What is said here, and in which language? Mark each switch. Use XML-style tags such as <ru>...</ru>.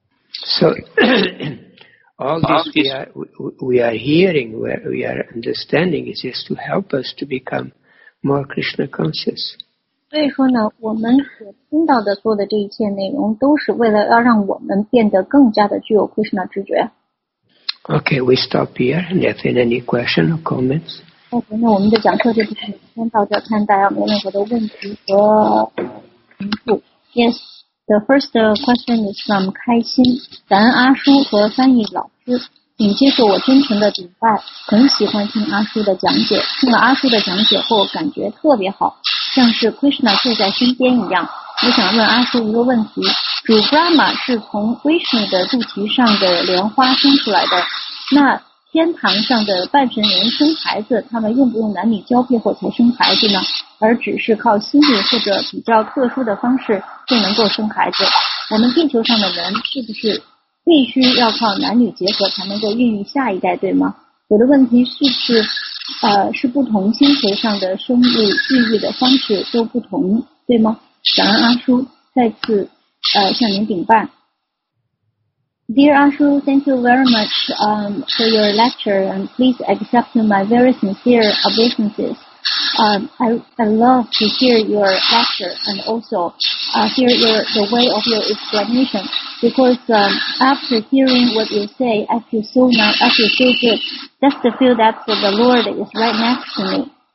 <en>So all this we are hearing, where we are understanding, is just to help us to become more Krishna conscious.</en> <zh>所以说呢，我们所听到的所有的这一切内容，都是为了要让我们变得更加的具有 Krishna 知觉。</zh> <en>Okay, we stop here. And if there are any questions or comments.</en> <zh>Okay, 那我们的讲课就先到这，看大家有没有任何的问题和回复。</zh> <en>Yes, the first question is from</en> <zh>开心，感恩阿叔和翻译老师，请接受我真诚的礼拜，很喜欢听阿叔的讲解，听了阿叔的讲解后感觉特别好，像是 Krishna 就在身边一样。我想问阿叔一个问题，主 Brahma 是从 Vishnu 的肚脐上的莲花生出来的，那天堂上的半神人生孩子，他们用不用男女交配后才生孩子呢？而只是靠心理或者比较特殊的方式就能够生孩子？我们地球上的人是不是必须要靠男女结合才能够孕育下一代，对吗？我的问题是不是是不同星球上的生物孕育的方式都不同，对吗？感恩阿叔，再次向您禀拜。</zh> <en>Dear Ashu, thank you very much for your lecture, and please accept my very sincere obeisances. I love to hear your lecture and also hear the way of your explanation, because after hearing what you say, I feel so good, just to feel that the Lord is right next to me.</en>